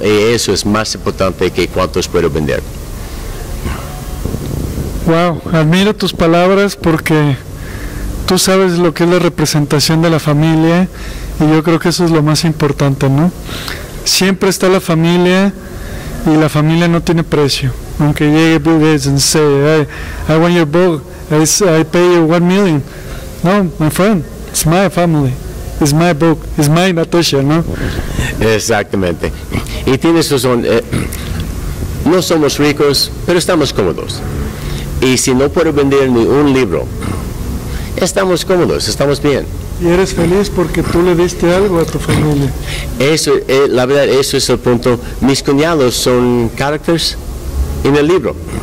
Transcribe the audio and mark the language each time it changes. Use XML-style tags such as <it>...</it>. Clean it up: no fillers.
<es>Y eso es más importante que cuántos puedo vender. Wow, admiro tus palabras, porque tú sabes lo que es la representación de la familia, y yo creo que eso es lo más importante, ¿no? Siempre está la familia, y la familia no tiene precio. Aunque llegue</es> <en>Bill Gates and say, hey, I want your book, I pay you $1 million. No, my friend, it's my family, it's my book, it's my Natasha, ¿no?</en> <es>Exactamente. Y tienes razón, no somos ricos, pero estamos cómodos. Y si no puedo vender ni un libro, estamos cómodos, estamos bien. Y eres feliz porque tú le diste algo a tu familia. Eso, la verdad, eso es el punto. Mis cuñados son characters en el libro.</es>